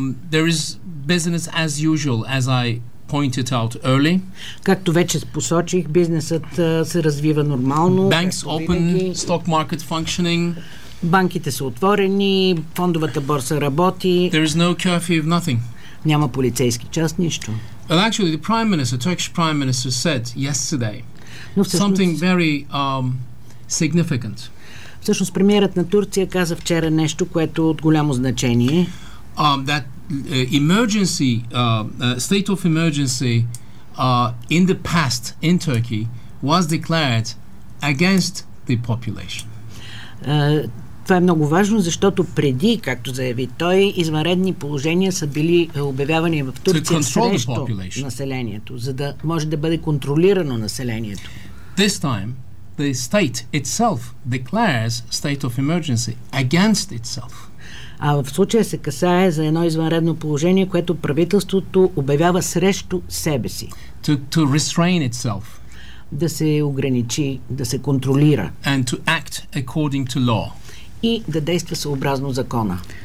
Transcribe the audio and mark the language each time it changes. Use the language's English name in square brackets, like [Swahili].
[English] There is business as usual, as I pointed out early. [Bulgarian] Както вече посочих, бизнесът се развива нормално. [English] Banks open, stock market functioning. [Bulgarian] Банките са отворени, фондовата борса работи. [English] There is no curfew of nothing. [Bulgarian] Няма полицейски час, нищо. [English] And actually, the Prime Minister, Turkish Prime Minister, said yesterday something very significant. [Bulgarian] Всъщност премиерът на Турция каза вчера нещо, което от голямо значение. [English] That emergency state of emergency in the past in Turkey was declared against the population. [Bulgarian] Това е много важно, защото преди, както заяви той, извънредни положения са били обявявани в Турция срещу населението, за да може да бъде контролирано населението. [English] This time the state itself declares state of emergency against itself. [Bulgarian] А в случая се касае за едно извънредно положение, което правителството обявява срещу себе си. [English] To restrain itself. [Bulgarian] Да се ограничи, да се контролира. [English] And to act according to law. [Bulgarian] И да действа съобразно закона.